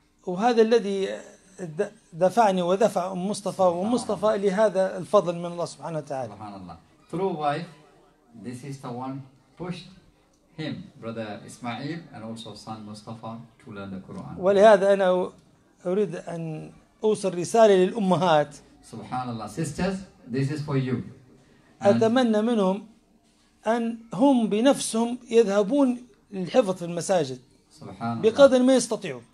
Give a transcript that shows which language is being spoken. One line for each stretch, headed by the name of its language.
Arabic: وهذا الذي دفعني ودفع أم مصطفى ومصطفى لهذا الفضل من الله سبحانه وتعالى. سبحان الله.
English: Through wife, this is the one pushed him, brother Ismail, and also son Mustafa to learn the Quran.
Arabic: ولهذا أنا أريد أن أوصل رسالة للأمهات. سبحان الله.
English: Sisters, this is for you.
Arabic: أتمنى منهم أن هم بنفسهم يذهبون للحفظ في المساجد بقدر ما يستطيعوا.